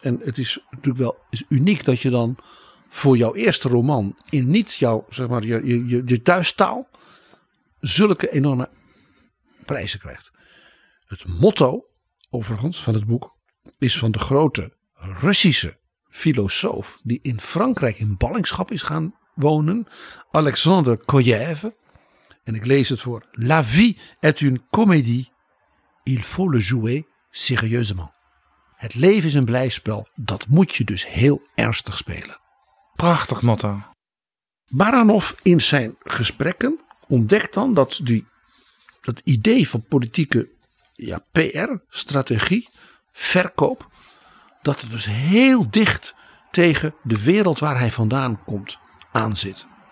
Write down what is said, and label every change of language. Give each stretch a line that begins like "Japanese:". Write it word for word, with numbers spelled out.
Dutch: En het is natuurlijk wel is uniek dat je dan voor jouw eerste roman in niet jouw, zeg maar, je, je, je, je thuistaal zulke enorme prijzen krijgt. Het motto overigens van het boek is van de grote Russische filosoof die in Frankrijk in ballingschap is gaan wonen, Alexandre Kojev. En ik lees het voor.
French: La vie est une comédie. Il faut le jouer sérieusement.
Dutch: Het leven is een blijspel. Dat moet je dus heel ernstig spelen. Prachtig motto. Baranov in zijn gesprekken ontdekt dan dat die, dat idee van politieke ja, P R, strategie, verkoop, dat het dus heel dicht tegen de wereld waar hij vandaan komt aan zit.